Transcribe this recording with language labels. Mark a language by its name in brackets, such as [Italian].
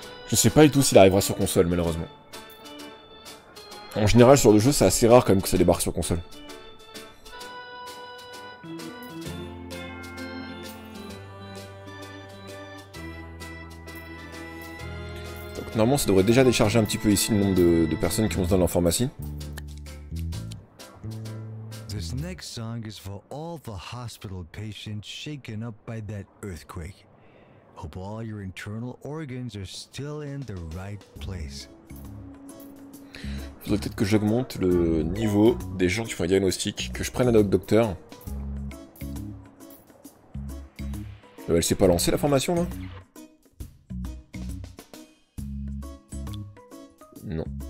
[French] Je sais pas du tout s'il arrivera sur console, malheureusement. En général, sur le jeu, c'est assez rare quand même que ça débarque sur console. Donc normalement, ça devrait déjà décharger un petit peu ici le nombre de personnes qui vont se donner en pharmacie. [English] This next song is for all the hospital patients shaken up by that earthquake. Hope all your internal organs are still in the right place. [French] Il faudrait peut-être que j'augmente le niveau des gens qui font un diagnostic, que je prenne un docteur. Elle s'est pas lancée la formation là? Non.